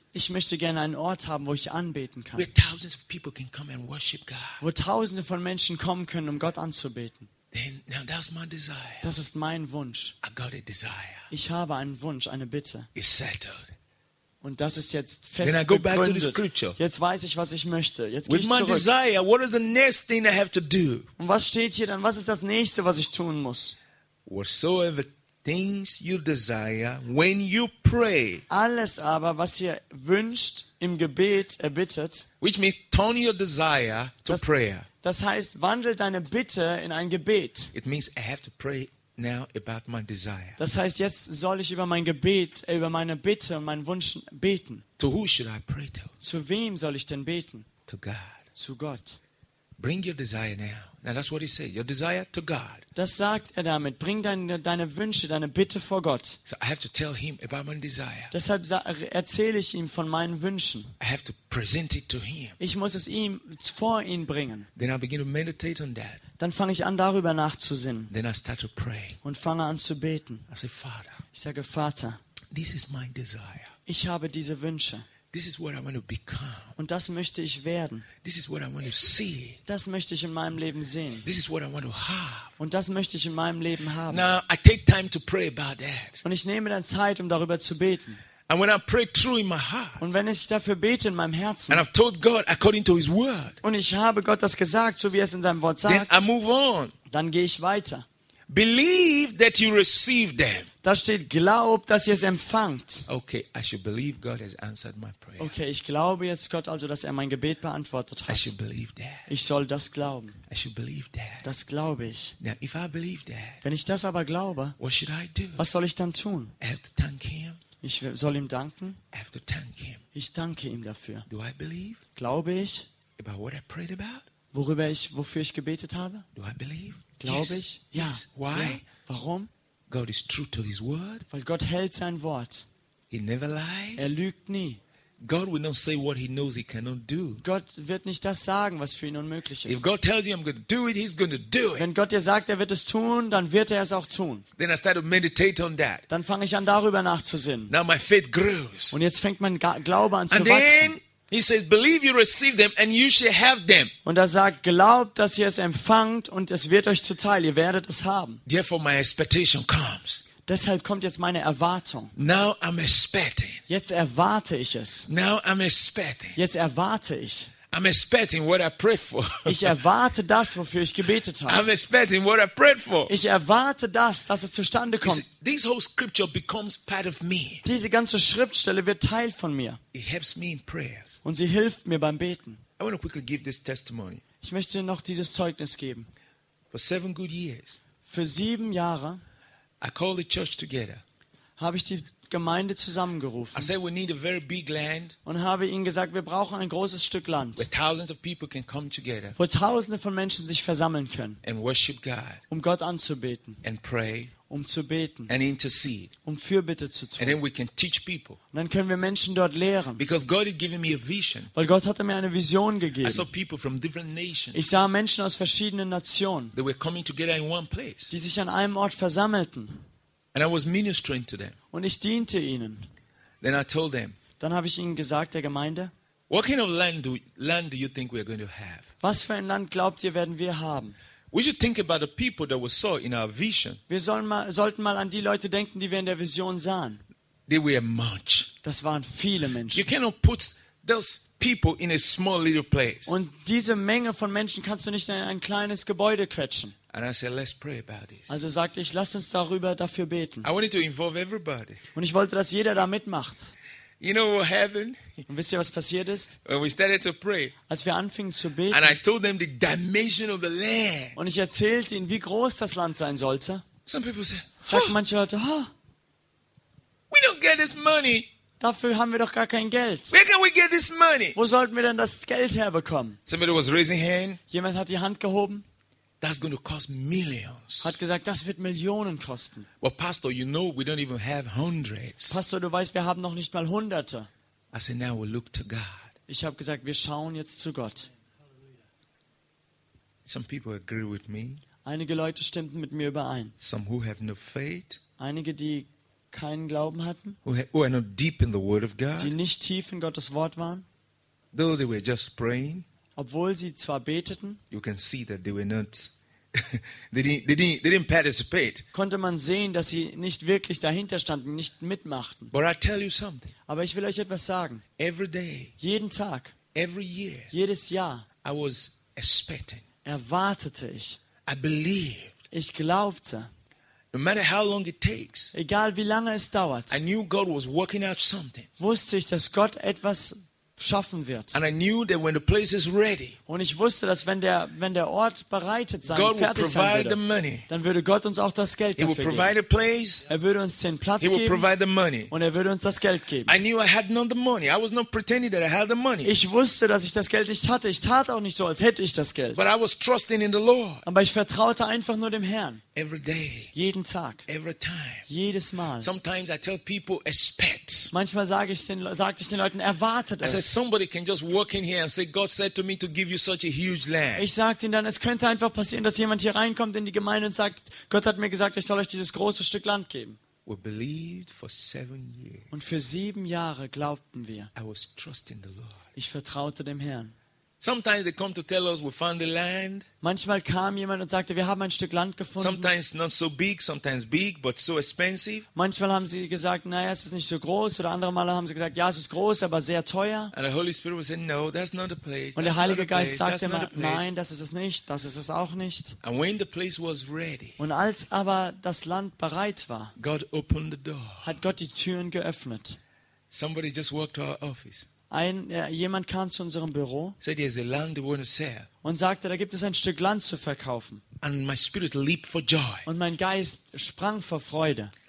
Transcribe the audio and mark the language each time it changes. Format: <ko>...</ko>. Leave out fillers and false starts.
<de>Ich möchte gerne einen Ort haben, wo ich anbeten kann.</de> <en>Where thousands of people can come and worship God.</en> <de>Wo tausende von Menschen kommen können, um Gott anzubeten.</de> <en>Then, now that's my desire.</en> <de>Das ist mein Wunsch.</de> <en>I got a desire.</en> <de>Ich habe einen Wunsch, eine Bitte.</de> <en>It's settled.</en> <de>Und das ist jetzt festgegründet. Jetzt weiß ich, was ich möchte. Jetzt gehe ich zurück. Und was steht hier dann? Was ist das Nächste, was ich tun muss?</de> <en>Whatsoever things you desire when you pray.</en> <de>Alles aber, was ihr wünscht im Gebet erbittet.</de> <en>Which means turn your desire to prayer.</en> <de>Das heißt, wandel deine Bitte in ein Gebet.</de> <en>It means I have to pray now about my desire.</en> <de>Das heißt, jetzt soll ich über mein Gebet, über meine Bitte und meinen Wunsch beten.</de> <en>To who should I pray to?</en> <de>Zu wem soll ich denn beten?</de> <en>To God.</en> <de>Zu Gott.</de> <en>Bring your desire now. Now that's what he said. Your desire to God.</en> <de>Das sagt er damit. Bring deine Wünsche, deine Bitte vor Gott.</de> <en>So I have to tell him about my desire.</en> <de>Deshalb erzähle ich ihm von meinen Wünschen.</de> <en>I have to present it to him.</en> <de>Ich muss es ihm vor ihn bringen.</de> <en>Then I begin to meditate on that.</en> <de>Dann fange ich an, darüber nachzusinnen.</de> <en>Then I start to pray.</en> <de>Und fange an zu beten.</de> <en>I say, Father.</en> <de>Ich sage, Vater.</de> <en>This is my desire.</en> <de>Ich habe diese Wünsche.</de> <en>This is what I want to become.</en> <de>Und das möchte ich werden.</de> <en>This is what I want to see.</en> <de>Das möchte ich in meinem Leben sehen.</de> <en>This is what I want to have.</en> <de>Und das möchte ich in meinem Leben haben.</de> <en>Now I take time to pray about that.</en> <de>Und ich nehme dann Zeit, um darüber zu beten.</de> <en>And when I pray true in my heart.</en> <de>Und wenn ich dafür bete in meinem Herzen.</de> <en>And I've told God according to His word.</en> <de>Und ich habe Gott das gesagt, so wie es in seinem Wort sagt.</de> <en>Then I move on.</en> <de>Dann gehe ich weiter.</de> <en>Believe that you receive them.</en> <de>Da steht, glaub, dass ihr es empfangt.</de> <en>Okay, I should believe God has answered my prayer.</en> <de>Okay, ich glaube jetzt Gott also, dass er mein Gebet beantwortet hat.</de> <en>I should believe that.</en> <de>Ich soll das glauben.</de> <en>I should believe that.</en> <de>Das glaube ich.</de> <en>Now, if I believe that,</en> <de>wenn ich das aber glaube,</de> <en>what should I do?</en> <de>Was soll ich dann tun?</de> <en>I have to thank him.</en> <de>Ich soll ihm danken.</de> <en>I have to thank him.</en> <de>Ich danke ihm dafür.</de> <en>Do I believe?</en> <de>Glaube ich?</de> <en>About what I prayed about?</en> <de>Wofür ich gebetet habe?</de> <en>Do I believe?</en> <de>Glaube ich?</de> <en>Yes.</en> <de>Ja.</de> <en>Why?</en> <de>Ja. Warum?</de> <en>God is true to His word.</en> <de>Weil Gott hält sein Wort.</de> <en>He never lies.</en> <de>Er lügt nie.</de> <en>God will not say what He knows He cannot do.</en> <de>Gott wird nicht das sagen, was für ihn unmöglich ist.</de> <en>If God tells you I'm going to do it, He's going to do it.</en> <de>Wenn Gott dir sagt, er wird es tun, dann wird er es auch tun.</de> <en>Then I start to meditate on that.</en> <de>Dann fange ich an, darüber nachzusinnen.</de> <en>Now my faith grows.</en> <de>Und jetzt fängt mein Glaube an zu</de> <en>and</en> <de>wachsen.</de> <en>He says, "Believe you receive them, and you shall have them."</en> <de>Und er sagt, glaubt, dass ihr es empfangt, und es wird euch zuteil. Ihr werdet es haben.</de> <en>Therefore, my expectation comes.</en> <de>Deshalb kommt jetzt meine Erwartung.</de> <en>Now I'm expecting.</en> <de>Jetzt erwarte ich es.</de> <en>Now I'm expecting.</en> <de>Jetzt erwarte ich.</de> <en>I'm expecting what I prayed for.</en> <de>Ich erwarte das, wofür ich gebetet habe.</de> <en>I'm expecting what I prayed for.</en> <de>Ich erwarte das, dass es zustande kommt.</de> <en>See, this whole scripture becomes part of me.</en> <de>Diese ganze Schriftstelle wird Teil von mir.</de> <en>It helps me in prayers.</en> <de>Und sie hilft mir beim Beten.</de> <en>I want to quickly give this testimony.</en> <de>Ich möchte noch dieses Zeugnis geben.</de> <en>For 7 good years.</en> <de>Für 7 Jahre.</de> <en>I called the church together.</en> <de>Habe ich die Gemeinde zusammengerufen.</de> <en>I said we need a very big land.</en> <de>Und habe ihnen gesagt, wir brauchen ein großes Stück Land.</de> <en>Where thousands of people can come together.</en> <de>Wo tausende von Menschen sich versammeln können.</de> <en>And worship God.</en> <de>Um Gott anzubeten.</de> <en>And pray.</en> <de>Um zu beten.</de> <en>And intercede.</en> <de>Um Fürbitte zu tun.</de> <en>And then we can teach people.</en> <de>Und dann können wir Menschen dort lehren.</de> <en>Because God had given me a vision.</en> <de>Weil Gott hatte mir eine Vision gegeben.</de> <en>I saw people from different nations.</en> <de>Ich sah Menschen aus verschiedenen Nationen.</de> <en>They were coming together in one place.</en> <de>Die sich an einem Ort versammelten.</de> <en>And I was ministering to them.</en> <de>Und ich diente ihnen.</de> <en>Then I told them.</en> <de>Dann habe ich ihnen gesagt der Gemeinde.</de> <en>What kind of land do you think we are going to have?</en> <de>Was für ein Land glaubt ihr werden wir haben?</de> <en>We should think about the people that we saw in our vision.</en> <de>Wir sollten mal an die Leute denken, die wir in der Vision sahen.</de> <en>They were much.</en> <de>Das waren viele Menschen.</de> <en>You cannot put those people in a small little place.</en> <de>Und diese Menge von Menschen kannst du nicht in ein kleines Gebäude quetschen.</de> <en>And I said, let's pray about this.</en> <de>Also sagte ich, lasst uns darüber dafür beten.</de> <en>I wanted to involve everybody.</en> <de>Und ich wollte, dass jeder da mitmacht.</de> <en>You know what happened?</en> <de>Und wisst ihr, was passiert ist?</de> <en>When we started to pray,</en> <de>als wir anfingen zu beten,</de> <en>and I told them the dimension of the land.</en> <de>Und ich erzählte ihnen, wie groß das Land sein sollte.</de> <en>Some people say,</en> <de>sagten manche Leute, oh,</de> <en>we don't get this money.</en> <de>Dafür haben wir doch gar kein Geld.</de> <en>Where can we get this money?</en> <de>Wo sollten wir denn das Geld herbekommen?</de> <en>Somebody was raising hand.</en> <de>Jemand hat die Hand gehoben.</de> <en>That's going to cost millions.</en> <de>Hat gesagt, das wird Millionen kosten.</de> <en>Well, Pastor, you know we don't even have hundreds.</en> <de>Pastor, du weißt, wir haben noch nicht mal Hunderte.</de> <en>I said, now we'll look to God.</en> <de>Ich habe gesagt, wir schauen jetzt zu Gott.</de> <en>Some people agree with me.</en> <de>Einige Leute stimmten mit mir überein.</de> <en>Some who have no faith.</en> <de>Einige, die keinen Glauben hatten.</de> <en>Who are not deep in the Word of God.</en> <de>Die nicht tief in Gottes Wort waren.</de> <en>Though they were just praying.</en> <de>Obwohl sie zwar beteten,</de> <en>you can see that they were not, they didn't participate.</en> <de>Konnte man sehen, dass sie nicht wirklich dahinter standen, nicht mitmachten.</de> <en>But I tell you something.</en> <de>Aber ich will euch etwas sagen.</de> <en>Every day,</en> <de>jeden Tag,</de> <en>every year,</en> <de>jedes Jahr,</de> <en>I was expecting.</en> <de>Erwartete ich.</de> <en>I believed.</en> <de>Ich glaubte.</de> <en>No matter how long it takes.</en> <de>Egal wie lange es dauert.</de> <en>I knew God was working out something.</en> <de>Wusste ich, dass Gott etwas schaffen wird.</de> <en>And I knew that when the place is ready,</en> <de>und ich wusste, dass wenn der Ort bereitet sein,</de> <en>God</en> <de>fertig sein würde,</de> <en>the money.</en> <de>Dann würde Gott uns auch das Geld</de> <en>he</en> <de>dafür</de> <en>provide</en> <de>geben.</de> <en>A place,</en> <de>er würde uns den Platz</de> <en>he</en> <de>geben</de> <en>provide the money.</en> <de>Und er würde uns das Geld geben.</de> <en>I knew I had not the money. I was not pretending that I had the money.</en> <de>Ich wusste, dass ich das Geld nicht hatte. Ich tat auch nicht so, als hätte ich das Geld.</de> <en>But I was trusting in the Lord.</en> <de>Aber ich vertraute einfach nur dem Herrn.</de> <en>Every day,</en> <de>jeden Tag,</de> <en>every time,</en> <de>jedes Mal.</de> <en>Sometimes I tell people, expect.</en> <de>Manchmal sagte ich den Leuten, erwartet es.</de> <en>Somebody can just walk in here and say God said to me to give you such a huge land.</en> <de>Ich sagte ihnen dann, es könnte einfach passieren, dass jemand hier reinkommt in die Gemeinde und sagt, Gott hat mir gesagt, ich soll euch dieses große Stück Land geben.</de> <en>We believed for 7 years.</en> <de>Und für 7 Jahre glaubten wir.</de> <en>I was trusting the Lord.</en> <de>Ich vertraute dem Herrn.</de> <en>Sometimes they come to tell us we found the land.</en> <de>Manchmal kam jemand und sagte, wir haben ein Stück Land gefunden.</de> <en>Sometimes not so big, sometimes big, but so expensive.</en> <de>Manchmal haben sie gesagt, naja, es ist nicht so groß. Oder andere Male haben sie gesagt, ja, es ist groß, aber sehr teuer.</de> <en>And the Holy Spirit would say, no, that's not the place.</en> <de>Und der Heilige Geist sagte immer, nein, das ist es nicht, das ist es auch nicht.</de> <en>And when the place was ready,</en> <de>und als aber das Land bereit war,</de> <en>God opened the door.</en> <de>Hat Gott die Türen geöffnet.</de> <en>Somebody just walked to our office.</en> <de>Jemand kam zu unserem Büro</de> <en>said,</en> <de>und sagte, da gibt es ein Stück Land zu verkaufen.</de> <en>And my spirit leaped for joy.</en> <de>Und mein Geist sprang vor Freude.</de>